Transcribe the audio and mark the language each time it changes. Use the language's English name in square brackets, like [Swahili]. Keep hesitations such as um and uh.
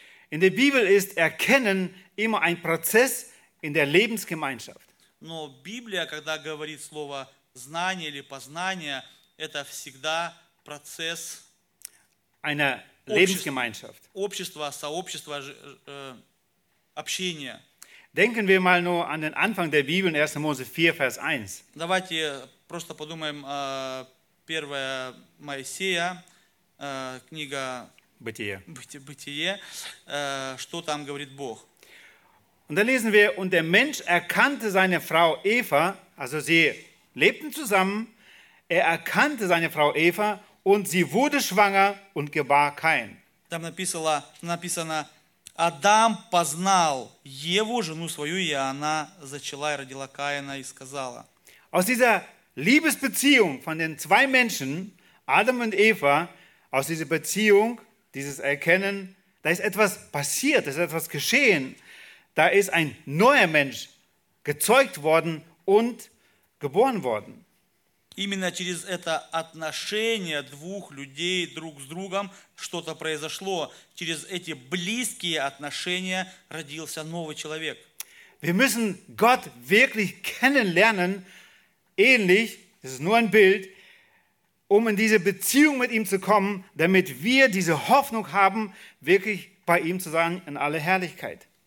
[German] In der Bibel ist Erkennen immer ein Prozess in der Lebensgemeinschaft. [Russian] Но Библия, когда говорит слово знание или познание, это всегда процесс [German] eine Lebensgemeinschaft. [Russian] общества, сообщества, общения. [German] Denken wir mal nur an den Anfang der Bibel, 1. Mose 4, Vers 1. [Russian] Давайте просто подумаем о первая Моисея, книга Бытие. Бытие, что там говорит Бог. [German] Und da lesen wir, und der Mensch erkannte seine Frau Eva, also sie lebten zusammen, er erkannte seine Frau Eva und sie wurde schwanger und gebar kein. [Russian] Da написано, написано, Адам познал Еву, жену свою, и она зачала и родила Каина и сказала. [German] Aus dieser Liebesbeziehung von den zwei Menschen, Adam und Eva, aus dieser Beziehung, dieses Erkennen, da ist etwas passiert, da ist etwas geschehen. Da ist ein neuer Mensch gezeugt worden und geboren worden. [Russian] Именно через это отношение двух людей друг с другом что-то произошло. Через эти близкие отношения родился новый человек. [German] Wir müssen Gott wirklich kennenlernen, ähnlich, das ist nur ein Bild, um in diese Beziehung mit ihm zu kommen, damit wir diese Hoffnung haben, wirklich bei ihm zu sein in alle Herrlichkeit.